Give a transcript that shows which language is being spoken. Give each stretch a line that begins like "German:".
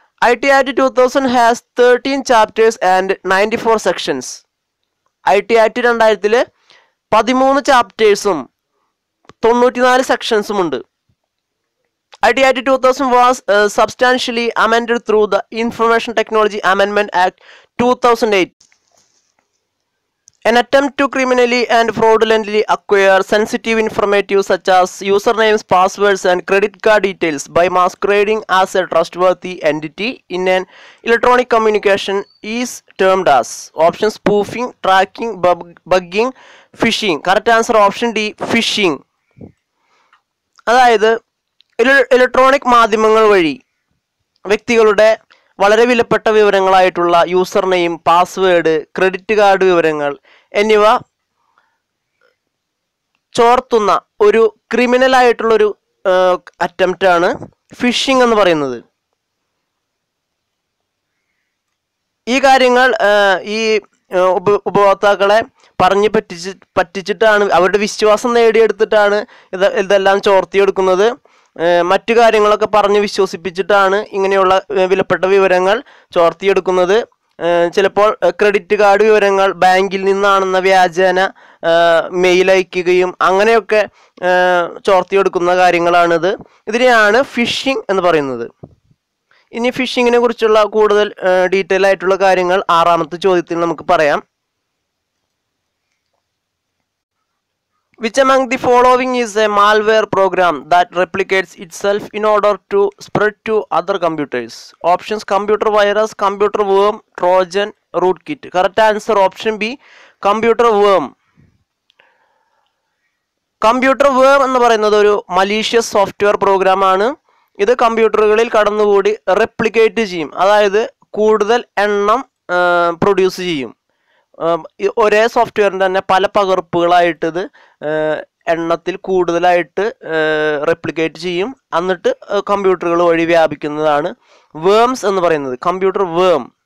English: I T act 2000 has 13 chapters and 94 sections.
Malayalam: I T act 2000 13 chapters 94 sections ഉണ്ട്.
English: I T act 2000 was substantially amended through the information technology അമെൻമെൻറ് act 2008. An attempt to criminally and fraudulently acquire sensitive information such as usernames, passwords and credit card details by masquerading as a trustworthy entity in an electronic communication is termed as option spoofing, tracking, bugging, phishing. Correct answer option D, phishing.
Malayalam: അതായത് electronic മാധ്യമങ്ങൾ വഴി വ്യക്തികളുടെ വളരെ വിലപ്പെട്ട വിവരങ്ങളായിട്ടുള്ള user name, password, credit card വിവരങ്ങൾ എന്നിവ ചോർത്തുന്ന ഒരു ക്രിമിനലായിട്ടുള്ളൊരു അറ്റംപ്റ്റാണ് phishing എന്ന് പറയുന്നത്. ഈ കാര്യങ്ങൾ ഈ ഉപഭോക്താക്കളെ പറഞ്ഞ് പറ്റിച്ചിട്ടാണ്, അവരുടെ വിശ്വാസം നേടിയെടുത്തിട്ടാണ് ഇതെല്ലാം ചോർത്തിയെടുക്കുന്നത്. മറ്റു കാര്യങ്ങളൊക്കെ പറഞ്ഞ് വിശ്വസിപ്പിച്ചിട്ടാണ് ഇങ്ങനെയുള്ള വിലപ്പെട്ട വിവരങ്ങൾ ചോർത്തിയെടുക്കുന്നത്. ചിലപ്പോൾ ക്രെഡിറ്റ് കാർഡ് വിവരങ്ങൾ ബാങ്കിൽ നിന്നാണെന്ന വ്യാജേന മെയിൽ അയക്കുകയും അങ്ങനെയൊക്കെ ചോർത്തിയെടുക്കുന്ന കാര്യങ്ങളാണിത്. ഇതിനെയാണ് ഫിഷിംഗ് എന്ന് പറയുന്നത്. ഇനി ഫിഷിങ്ങിനെ കുറിച്ചുള്ള കൂടുതൽ ഡീറ്റെയിൽ ആയിട്ടുള്ള കാര്യങ്ങൾ 6th ചോദ്യത്തിൽ നമുക്ക് പറയാം.
English: Which among the following is a malware program that replicates itself in order to spread to other computers? Options: computer virus, computer worm, trojan, rootkit. Correct answer option B, computer worm.
Malayalam: Computer worm എന്ന് പറയുന്നത് ഒരു
English: malicious software program
Malayalam: ആണ്. ഇത് കമ്പ്യൂട്ടറുകളിൽ കടന്നുകൂടി replicate ചെയ്യും, അതായത് കൂടുതൽ എണ്ണം produce ചെയ്യും. ഒരേ സോഫ്റ്റ്വെയറിന് തന്നെ പല പകർപ്പുകളായിട്ട് ഇത് എണ്ണത്തിൽ കൂടുതലായിട്ട് റെപ്ലിക്കേറ്റ് ചെയ്യും, എന്നിട്ട് കമ്പ്യൂട്ടറുകൾ വഴി വ്യാപിക്കുന്നതാണ് വേംസ് എന്ന് പറയുന്നത്, കമ്പ്യൂട്ടർ വേം.